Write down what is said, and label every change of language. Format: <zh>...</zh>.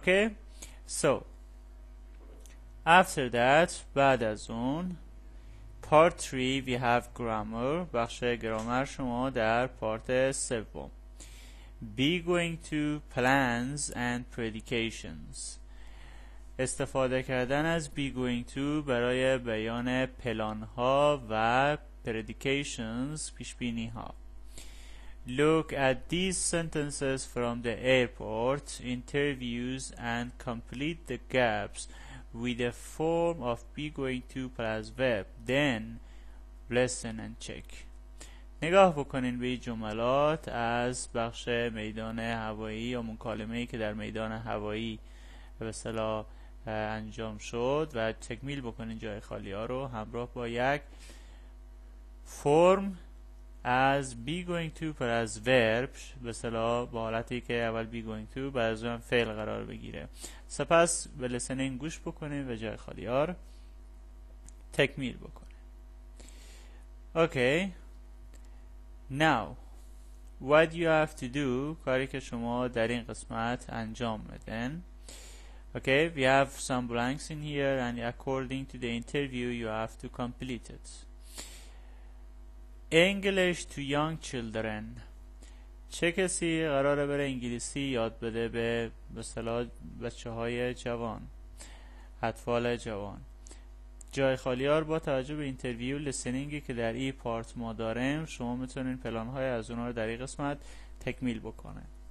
<en>Okay؟ So after that،</en> <fa>بعد از اون</fa> <en>part 3 we have grammar،</en> <fa>بخش گرامر شما در</fa> <en>part 3 be going to plans and predications.</en> <fa>استفاده کردن از be going to برای بیان پلان‌ها و predications پیشبینی‌ها.</fa> <en>Look at these sentences from the airport interviews and complete the gaps with a form of be going to plus verb. Then listen and check.</en> <fa>نگاه بکنین به جملات از بخش میدان هوایی یا مکالمه‌ای که در میدان هوایی به اصطلاح انجام شد و تکمیل بکنین جای خالی ها رو همراه با یک فرم از be going to plus verb به اصطلاح با حالتی که اول be going to بعد از اون فعل قرار بگیره. سپس به لسنینگ گوش بکنین و جای خالی ها رو تکمیل بکنین. اوکی.</fa> <en>Now what you have to do،</en> <fa>کاری که شما در این قسمت انجام میدین.</fa> <en>Okay, we have some blanks in here and according to the interview you have to complete it. English to young children.</en> <fa>چه کسی قراره بره انگلیسی یاد بده به مثلا بچه های جوان، اطفال جوان؟ جای خالی ها رو با توجه به اینترویو لسنینگی که در این پارت ما داریم شما میتونین پلان های از اونها رو در این قسمت تکمیل بکنن.</fa>